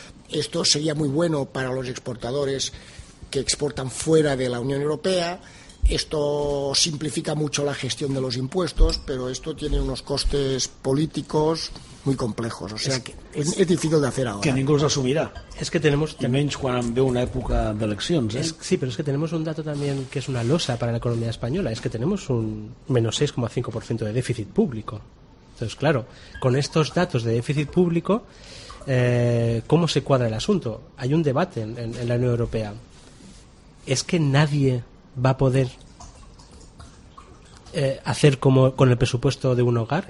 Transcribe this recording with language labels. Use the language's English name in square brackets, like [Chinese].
[Spanish] esto sería muy bueno para los exportadores que exportan fuera de la Unión Europea. Esto simplifica mucho la gestión de los impuestos, pero esto tiene unos costes políticos muy complejos. O sea, es difícil de hacer ahora. [Catalan] Que ningú [Spanish] los asumirá. Es que tenemos... [Catalan] Y menys quan ve una època d'eleccions, eh? Sí, però és que [Spanish] tenemos un dato también que es una losa para la economía española. Es que tenemos un menos 6,5% de déficit público. Entonces, claro, con estos datos de déficit público, ¿cómo se cuadra el asunto? Hay un debate en la Unión Europea. Es que nadie va a poder hacer como con el presupuesto de un hogar.